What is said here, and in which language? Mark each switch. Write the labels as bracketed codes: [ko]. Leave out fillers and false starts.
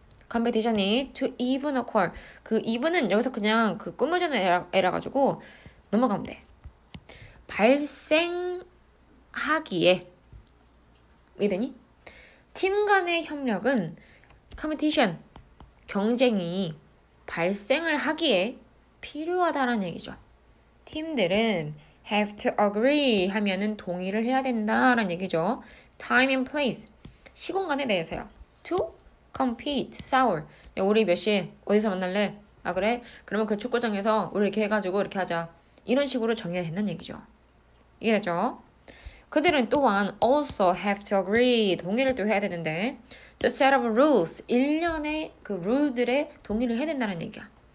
[en] Competition need to even occur. [ko] 그 even은 여기서 그냥 그 꾸며주는 에라 가지고 넘어가면 돼. 발생하기에 믿으니? 팀 간의 협력은 competition 경쟁이 발생을 하기에 필요하다라는 얘기죠. 팀들은 [en] have to agree [ko] 하면은 동의를 해야 된다라는 얘기죠. [en] Time and place. 시공간에 대해서요. To compete, 싸울. [ko] 야, 우리 몇 시에 어디서 만날래? 아, 그래? 그러면 그 축구장에서 우리 이렇게 해가지고 이렇게 하자. 이런 식으로 정해야 된다는 얘기죠. 이해되죠? 그들은 또한 [en] also have to agree, [ko] 동의를 또 해야 되는데, [en] to set up rules, [ko] 일련의 그 룰들에 동의를 해야 된다는 얘기야.